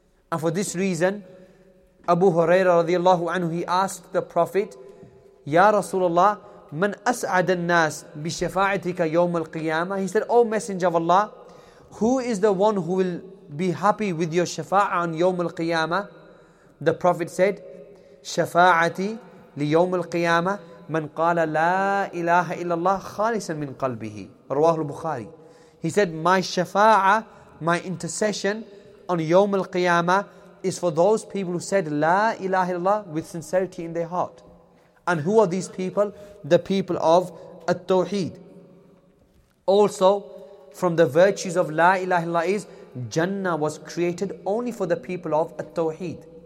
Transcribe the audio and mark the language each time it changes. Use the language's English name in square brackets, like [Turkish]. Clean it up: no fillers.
[English] And for this reason, Abu Huraira radiallahu anhu, he asked the Prophet, [Arabic] Ya Rasulullah, man as'ad an-nas bi shafa'atika yawm al-qiyamah? [English] He said, O Messenger of Allah, who is the one who will be happy with your shafa'ah on yawm al-qiyamah? The Prophet said, [Arabic] shafa'ati li yawm al-qiyamah, من قال لا إله إلا الله خالصا من قلبه. رواه البخاري. [English] He said, my shafa'ah, my intercession on Yawm al-Qiyamah is for those people who said La ilaha illallah with sincerity in their heart. And who are these people? The people of At-Tawheed. Also, from the virtues of La ilaha illallah is Jannah was created only for the people of At-Tawheed.